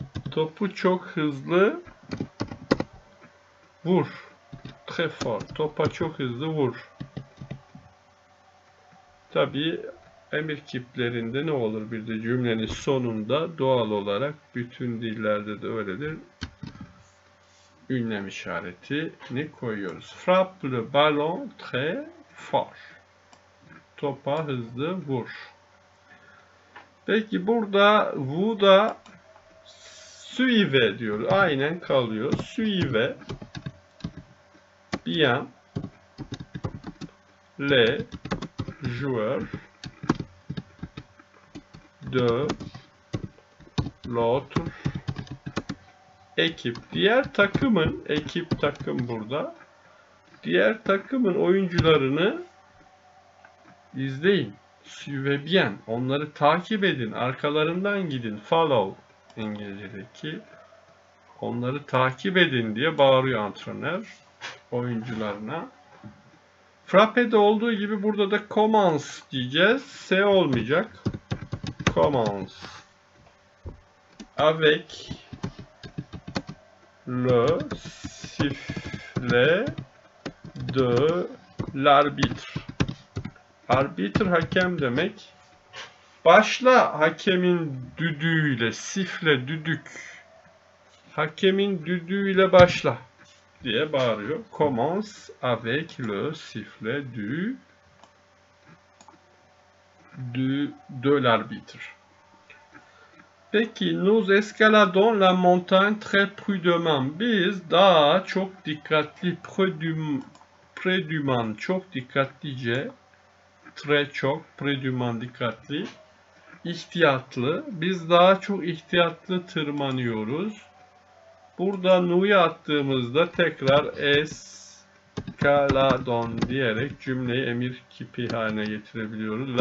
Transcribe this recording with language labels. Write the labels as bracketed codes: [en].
[tr] Topu çok hızlı vur. [fr] Très fort. [tr] Topa çok hızlı vur. Tabii emir kiplerinde ne olur bir de cümlenin sonunda doğal olarak bütün dillerde de öyledir. Ünlem işaretini koyuyoruz. [fr] Frappe le ballon très fort. [tr] Topa hızlı vur. Peki burada vous da [fr] suivez [tr] diyor. Aynen kalıyor. [fr] Suivez. Bien, les joueurs de l'autre [tr] ekip, diğer takımın ekip takım burada. Diğer takımın oyuncularını izleyin. Sübebiyen. Onları takip edin. Arkalarından gidin. Follow İngilizce'deki. Onları takip edin diye bağırıyor antrenör oyuncularına. Frappe'de olduğu gibi burada da commands diyeceğiz. S olmayacak. Commands. [fr] Avec le sifflet de l'arbitre. Arbitre [tr] hakem demek. Başla hakemin düdüğüyle, sifle düdük. Hakemin düdüğüyle başla diye bağırıyor. [fr] Commence avec le sifflet de l'arbitre. [tr] Peki, [fr] nous escaladons la montagne très prudemment. [tr] Biz daha çok dikkatli, prudüman, çok dikkatlice, [fr] très [tr] çok, prudüman, dikkatli, ihtiyatlı. Biz daha çok ihtiyatlı tırmanıyoruz. Burada nu'yu attığımızda tekrar escaladon diyerek cümleyi emir kipi haline getirebiliyoruz.